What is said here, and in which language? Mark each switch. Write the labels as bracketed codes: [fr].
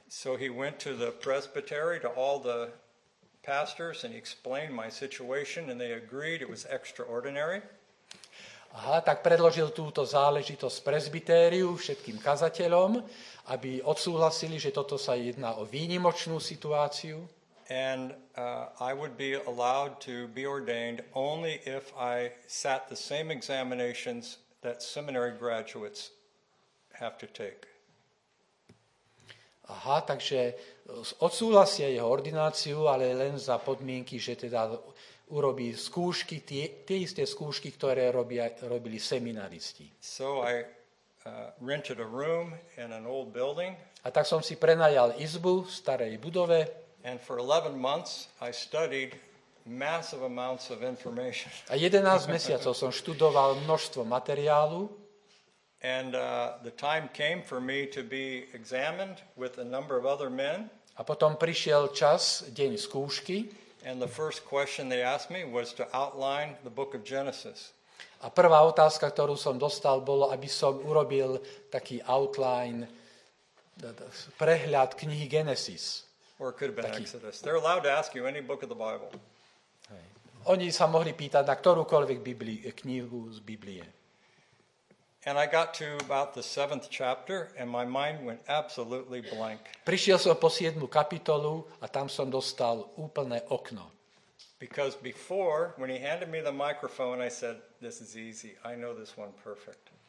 [en] So he went to the presbytery, to all the pastors, and he explained my situation, and they agreed it was extraordinary. [sk] Aha, tak predložil túto záležitosť presbytériu všetkým kazateľom, aby odsúhlasili, že toto sa jedná o výnimočnú situáciu. [en] And I would be allowed to be ordained only if I sat the same examinations that seminary graduates have to take. [sk] Aha, takže odsúhlasia jeho ordináciu, ale len za podmienky, že teda urobí skúšky, tie isté skúšky, ktoré robili seminaristi. [en] So I rented a room in an old building. [sk] A tak som si prenajal izbu v starej budove. [en] And for 11 months I studied massive amounts of information. [sk] A 11 mesiacov som študoval množstvo materiálu. [en] And the time came for me to be examined with a number of other men. [sk] A potom prišiel čas, deň skúšky. [en] And the first question they asked me was to outline the book of Genesis. [sk] A prvá otázka, ktorú som dostal, bolo, aby som urobil taký outline, prehľad knihy Genesis. [en] Or could have been taký. Exodus. They're allowed to ask you any book of the Bible. [sk] Oni sa mohli pýtať na ktorúkoľvek knihu z Biblie. [en] And I got to about the 7th chapter and my mind went absolutely blank. [sk] Prišiel som po 7. kapitolu a tam som dostal úplné okno. [en] Because before when he handed me the microphone I said this is easy. I know this one perfect.